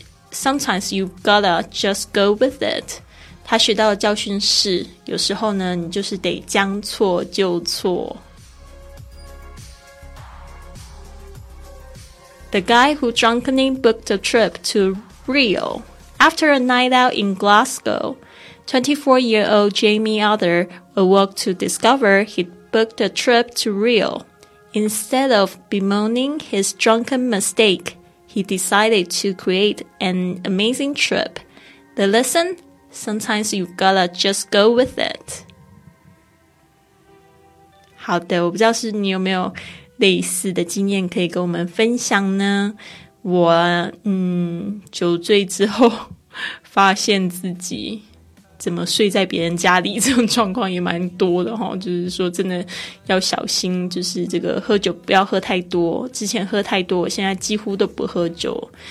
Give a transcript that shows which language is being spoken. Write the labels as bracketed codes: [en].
[en] Sometimes you've gotta just go with it. [zh] 他学到的教训是，有时候呢，你就是得将错就错。 [en] The guy who drunkenly booked a trip to Rio. After a night out in Glasgow, 24-year-old Jamie Arthur awoke to discover he'd booked a trip to Rio. Instead of bemoaning his drunken mistake, he decided to create an amazing trip. The lesson? Sometimes you gotta just go with it. [zh] 好的，我不知道是你有没有类似的经验可以跟我们分享呢？我，酒醉之后发现自己怎么睡在别人家里这种状况也蛮多的齁，就是说真的要小心，就是这个喝酒不要喝太多，之前喝太多，现在几乎都不喝酒。